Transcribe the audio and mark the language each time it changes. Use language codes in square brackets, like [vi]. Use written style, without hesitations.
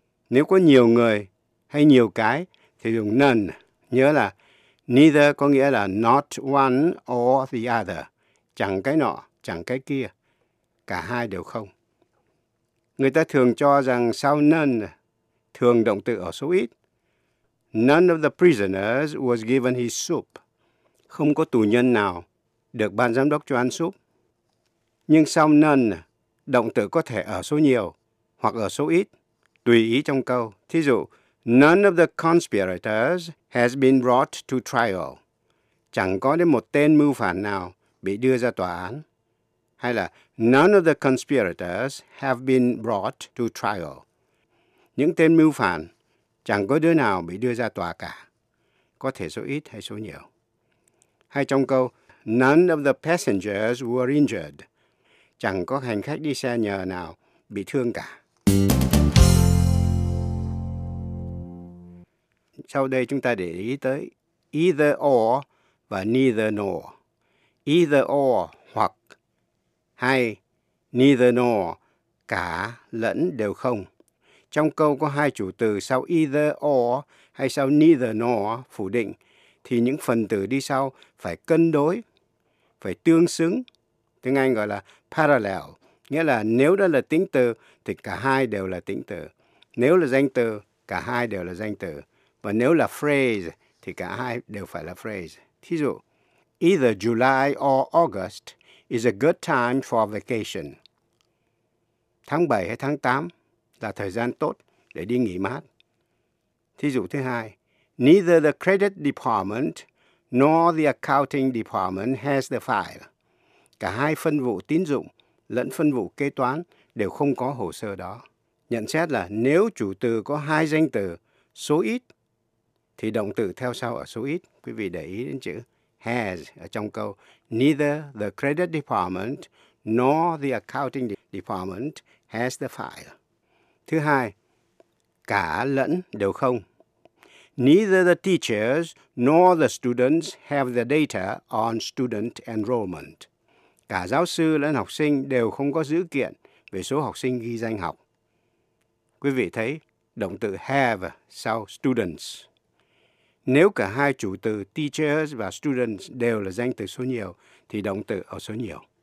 [vi] Nếu có nhiều người hay nhiều cái thì dùng none. Nhớ là neither có nghĩa là [en] not one or the other. [vi] Chẳng cái nọ. Chẳng cái kia, cả hai đều không. Người ta thường cho rằng sau none, thường động từ ở số ít. [en] None of the prisoners was given his soup. [vi] Không có tù nhân nào được ban giám đốc cho ăn súp. Nhưng sau none, động từ có thể ở số nhiều hoặc ở số ít, tùy ý trong câu. Thí dụ, [en] none of the conspirators has been brought to trial. [vi] Chẳng có đến một tên mưu phản nào bị đưa ra tòa án. Hay là [en] none of the conspirators have been brought to trial. [vi] Những tên mưu phản chẳng có đứa nào bị đưa ra tòa cả. Có thể số ít hay số nhiều. Hay trong câu [en] none of the passengers were injured. [vi] Chẳng có hành khách đi xe nhờ nào bị thương cả. Sau đây chúng ta để ý tới either or và neither nor. Either or hoặc hay neither nor, cả lẫn đều không. Trong câu có hai chủ từ sau either or hay sau neither nor phủ định, thì những phần từ đi sau phải cân đối, phải tương xứng, tiếng Anh gọi là parallel, nghĩa là nếu đó là tính từ thì cả hai đều là tính từ, nếu là danh từ cả hai đều là danh từ, và nếu là phrase thì cả hai đều phải là phrase. Thí dụ, [en] either July or August is a good time for vacation. [vi] Tháng 7 hay tháng 8 là thời gian tốt để đi nghỉ mát. Thí dụ thứ hai, [en] neither the credit department nor the accounting department has the file. [vi] Cả hai phân vụ tín dụng lẫn phân vụ kế toán đều không có hồ sơ đó. Nhận xét là nếu chủ từ có hai danh từ, số ít, thì động từ theo sau ở số ít. Quý vị để ý đến chữ has ở trong câu [en] neither the credit department nor the accounting department has the file. [vi] Thứ hai, cả lẫn đều không. [en] Neither the teachers nor the students have the data on student enrollment. [vi] Cả giáo sư lẫn học sinh đều không có dữ kiện về số học sinh ghi danh học. Quý vị thấy động từ have sau students. Nếu cả hai chủ từ teachers và students đều là danh từ số nhiều, thì động từ ở số nhiều.